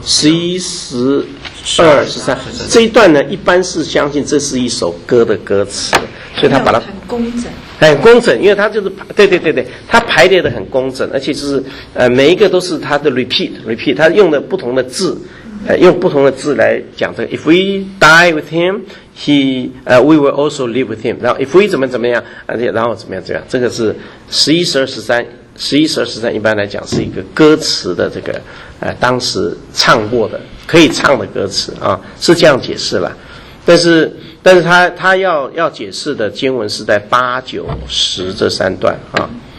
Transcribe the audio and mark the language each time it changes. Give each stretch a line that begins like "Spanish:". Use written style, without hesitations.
Chinese: 十一、十二、十三，这一段呢，一般是相信这是一首歌的歌词，所以他把它很工整。很工整，因为他就是对对对对，他排列的很工整，而且就是每一个都是他的 repeat， 他用的不同的字。用不同的字来讲这个
English: ，If we die with him, he, we will also live with him.
Chinese: 然后 ，If we 怎么怎么样，然后怎么样怎么样，这个是十一、十二、十三，十一、十二、十三，一般来讲是一个歌词的这个，当时唱过的可以唱的歌词啊，是这样解释了。但是他要解释的经文是在八、九、十这三段啊。